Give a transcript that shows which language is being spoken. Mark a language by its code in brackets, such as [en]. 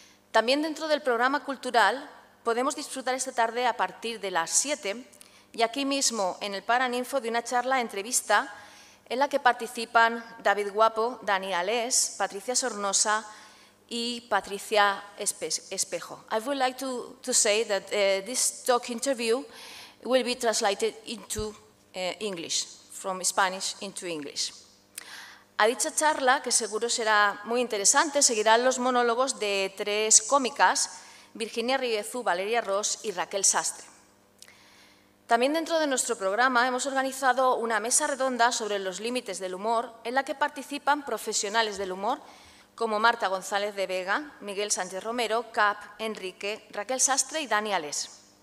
[es] También dentro del programa cultural podemos disfrutar esta tarde a partir de las 7 y aquí mismo en el Paraninfo de una charla entrevista en la que participan David Guapo, Dani Alés, Patricia Sornosa y Patricia Espejo. [en] I would like to say that this talk interview will be translated into English, from Spanish into English. [es] A dicha charla, que seguro será muy interesante, seguirán los monólogos de 3 cómicas, Virginia Riezu, Valeria Ross y Raquel Sastre. También dentro de nuestro programa hemos organizado una mesa redonda sobre los límites del humor en la que participan profesionales del humor como Marta González de Vega, Miguel Sánchez Romero, Cap, Enrique, Raquel Sastre y Dani Alés.